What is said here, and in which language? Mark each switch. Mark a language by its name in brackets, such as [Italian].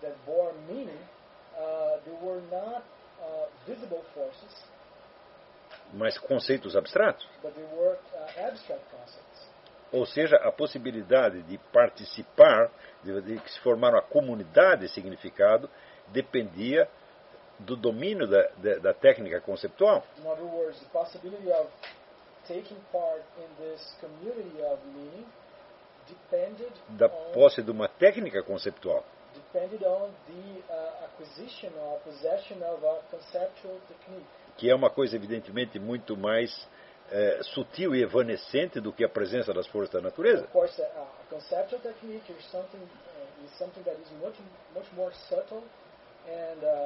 [English] that bore meaning, they were not visible forces. [Portuguese] Mas conceitos abstratos. [English] But they were, abstract concepts. [Portuguese] Ou seja, a possibilidade de participar, de se formar uma comunidade de significado, dependia do domínio da técnica conceptual. [English] In other words, the possibility of taking part in this community of meaning depended [Portuguese] da posse de uma técnica conceptual. [English] Depended on the acquisition or possession of a conceptual technique. [Portuguese] Que é uma coisa, evidentemente, muito mais sutil e evanescente do que a presença das forças da natureza. [English] Of course, a conceptual technique is something that is much, much more subtle and